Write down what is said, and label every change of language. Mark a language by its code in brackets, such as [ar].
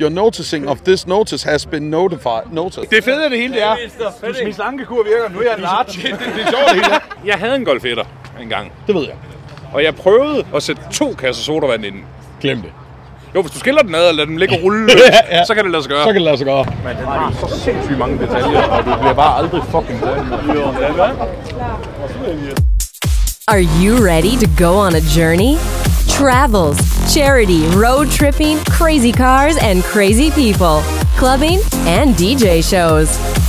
[en] Your noticing of this notice has been notified. Noticed. [da] Det fede af det hele, det er. Hvis min slankekur virker, nu er jeg large. Det er sjovt det hele. Jeg havde en golfetter engang. Det ved jeg. Og jeg prøvede at sætte to kasser sodavand inden. Glem det. Jo, hvis du skiller den ad og lader den ligge og rulle, ja, ja. Så kan det lade sig gøre. Så kan det lade sig gøre. Men den har så sindssygt mange detaljer, og du bliver bare aldrig fucking glad. [en] Are you ready to go on a journey? Travels, charity, road tripping, crazy cars and crazy people, clubbing and DJ shows.